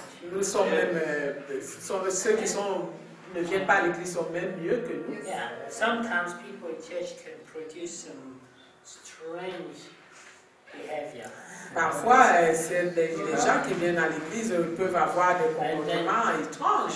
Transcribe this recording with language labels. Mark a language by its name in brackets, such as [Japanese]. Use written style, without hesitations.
[French] Nous sommes même ceux qui sont ne viennent pas à l'église sont même mieux que nous. [English] Yeah. Sometimes people in church can produce some strange behavior. [French] Parfois, c'est des gens qui viennent à l'église peuvent avoir des comportements étranges.